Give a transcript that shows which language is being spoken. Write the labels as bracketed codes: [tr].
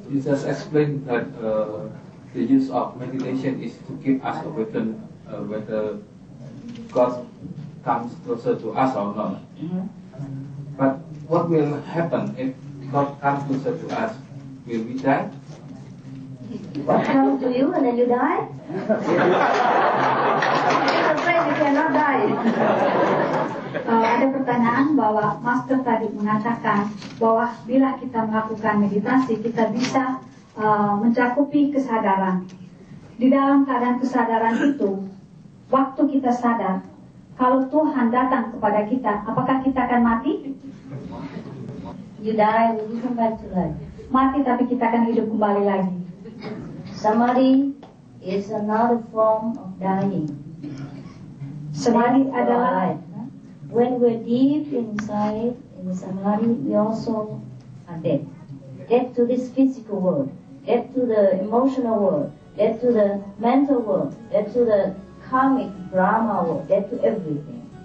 [en] You just explained that the use of meditation is to keep us away from whether God comes closer to us or not. Mm-hmm. But what will happen if God comes closer to us? Will we die? What comes to you and then you die? You're afraid you cannot die. [id] Ada pertanyaan bahwa Master tadi mengatakan bahwa bila kita melakukan meditasi, kita bisa mencakupi kesadaran. Di dalam keadaan kesadaran itu, waktu kita sadar, kalau Tuhan datang kepada kita, apakah kita akan mati? [en] You die, you come back to life. [id] Mati tapi kita akan hidup kembali lagi. [en] Samadhi is another form of dying. [id] Samadhi adalah [en] when we're deep inside in samadhi, we also are dead. Dead to this physical world, dead to the emotional world, dead to the mental world, dead to the karmic Brahma world, dead to everything.